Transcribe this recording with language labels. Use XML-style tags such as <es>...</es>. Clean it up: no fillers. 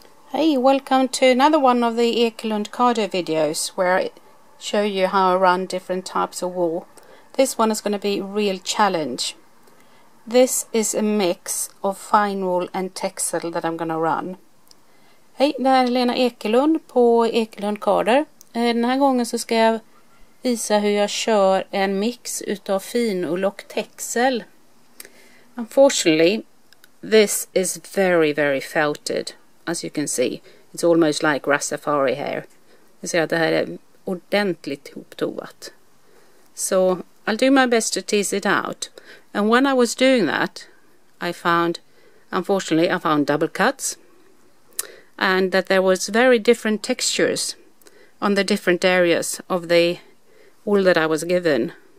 <en>Hey, welcome to another one of the Ekelund Carder videos where I show you how I run different types of wool. This one is going to be a real challenge. This is a mix of fine wool and Texel that I'm going to run.</en> <sv>Hej, det här är Lena Ekelund på Ekelund Carder. Den här gången så ska jag visa hur jag kör en mix utav finwool och Texel.</sv> <en>Unfortunately, this is very, very felted. As you can see, it's almost like rastafari hair. You see,</en> <sv>det här är ordentligt hoptovat.</sv> <en>So, I'll do my best to tease it out. And when I was doing that, I found double cuts. And that there was very different textures on the different areas of the wool that I was given.</en>